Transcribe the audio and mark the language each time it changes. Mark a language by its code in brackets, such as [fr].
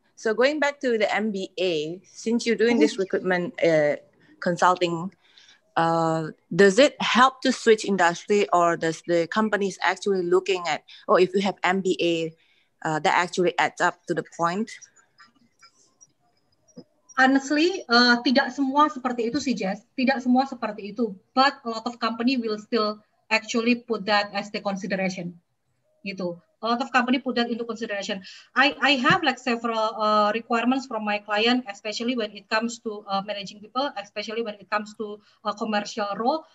[en] So, going back to the MBA, since you're doing this recruitment consulting, does it help to switch industry, or does the companies actually looking at, oh, if you have MBA, that actually adds up to the point? Honestly, [id] tidak semua seperti itu sih, Jess. Tidak semua seperti itu. [en] But a lot of company will still actually put that as the consideration. [id] Gitu. [en] A lot of company put that into consideration. I have like several requirements from my client, especially when it comes to managing people, especially when it comes to commercial role.